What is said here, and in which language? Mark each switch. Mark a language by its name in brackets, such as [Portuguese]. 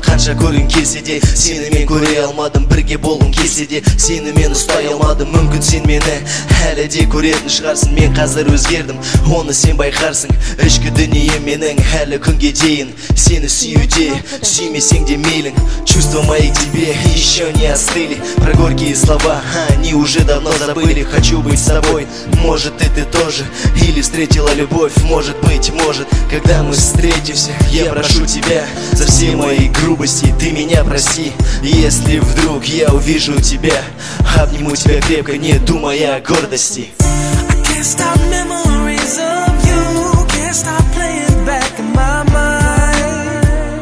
[Kazakh] Қанша көргім келсе де сені мен көре алмадым. Бірге болғым келсе де сені мен ұстай алмадым. Мүмкін сен мені әлі де көретін шығарсың. Мен қазір өзгердім, оны сен байқарсың. Ішкі дүние менің әлі күнге дейін сені сүйуде, сүймесең де мейлің. [Russian] Чувства мои к тебе еще не остыли. Про горькие слова они уже давно забыли. Хочу быть с тобой, может и ты тоже. Или встретила любовь, может быть, может. Когда мы встретимся, я прошу тебя, за все мои грубости ты меня прости. Если вдруг я увижу тебя, обниму тебя крепко, не думая о гордости. [English] I can't stop memories of you. Can't stop playing back in my mind.